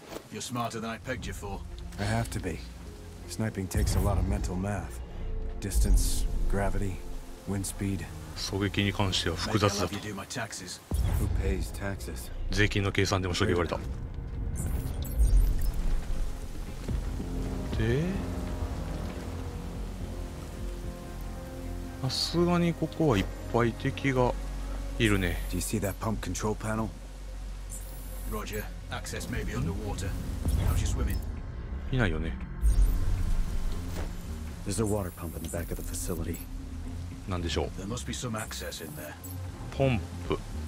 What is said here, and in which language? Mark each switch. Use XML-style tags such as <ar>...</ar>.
<en>You're smarter than I pegged you for. I have to be. Sniping takes a lot of mental math. Distance, gravity, wind speed.</en> <ja>狙撃に関しては複雑だと。</ja> <en>Who pays taxes?</en> <ja>税金の計算でもしとけ言われた。で、さすがにここはいっぱい敵がいるね。</ja> <en>Do you see that pump control panel? Roger. Access may be underwater. How's your swimming?</en> <ja>いないよね。</ja> <en>There's a water pump in the back of the facility.</en> <ja>なんでしょう。</ja> <en>There must be some access in there.</en> <ja>ポンプ。</ja>